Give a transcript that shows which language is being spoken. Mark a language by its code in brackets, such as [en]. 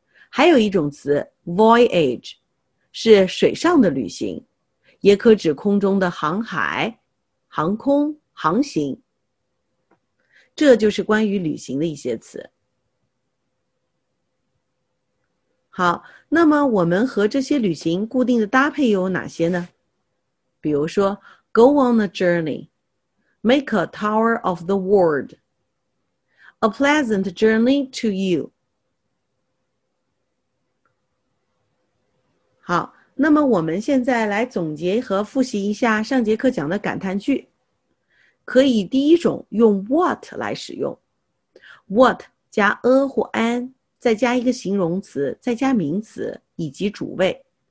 [zh] 还有一种词 voyage 是水上的旅行，也可指空中的航海、航空、航行。这就是关于旅行的一些词。好，那么我们和这些旅行固定的搭配有哪些呢？比如说 [en] go on a journey, make a tour of the world,A pleasant journey to you. [zh] 好，那么我们现在来总结和复习一下上节课讲的感叹句。可以第一种用 what 来使用。What 加 a 或 an， 再加一个形容词，再加名词，以及主谓。